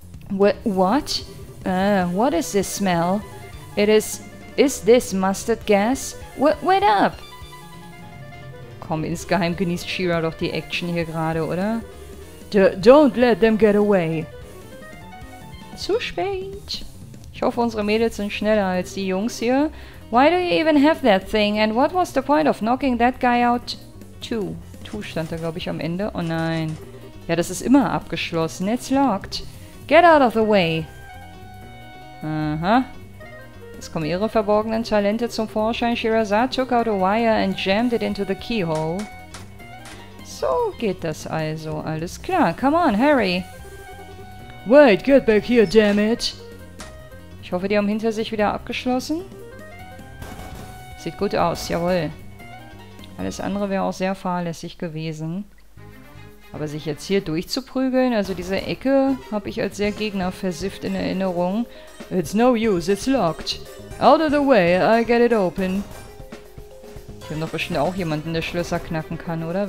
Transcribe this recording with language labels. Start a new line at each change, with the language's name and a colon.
English: What? What is this smell? Is this mustard gas? Wait up!
German: Komm, insgeheim genießt She-Ra doch die Action hier gerade, oder?
English: Don't let them get away!
German: Zu spät! Ich hoffe, unsere Mädels sind schneller als die Jungs hier.
English: Why do you even have that thing? And what was the point of knocking that guy out?
German: Two. Two stand da, glaube ich, am Ende. Oh nein. Ja, das ist immer abgeschlossen.
English: It's locked. Get out of the way.
German: Aha. Jetzt kommen ihre verborgenen Talente zum Vorschein.
English: Shirazad took out a wire and jammed it into the keyhole.
German: So geht das also. Alles klar.
English: Come on, hurry. Wait, get back here, damn it.
German: Ich hoffe, die haben hinter sich wieder abgeschlossen. Sieht gut aus, jawohl. Alles andere wäre auch sehr fahrlässig gewesen. Aber sich jetzt hier durchzuprügeln, also diese Ecke habe ich als sehr gegnerversifft in Erinnerung.
English: It's no use, it's locked. Out of the way, I'll get it open.
German: Ich habe noch bestimmt auch jemanden, der Schlösser knacken kann, oder?